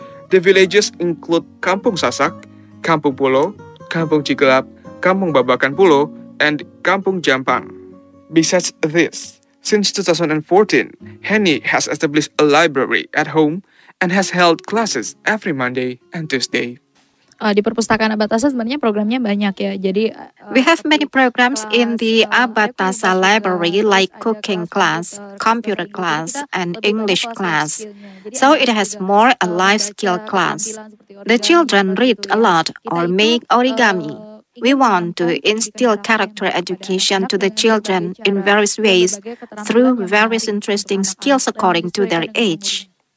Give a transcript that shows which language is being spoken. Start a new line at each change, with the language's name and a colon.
English: The villages include Kampung Sasak, Kampung Pulo, Kampung Cigalap, Kampung Babakan Pulo, and Kampung Jampang. Besides this, since 2014, Henny has established a library at home and has held classes every Monday and Tuesday.
Indonesian: Di perpustakaan Abatasa sebenarnya programnya banyak ya. Jadi
English: we have many programs in the Abatasa library like cooking class, computer class, and English class. So it has more a life skill class. The children read a lot or make origami. We want to instill character education to the children in various ways through various interesting skills according to their age.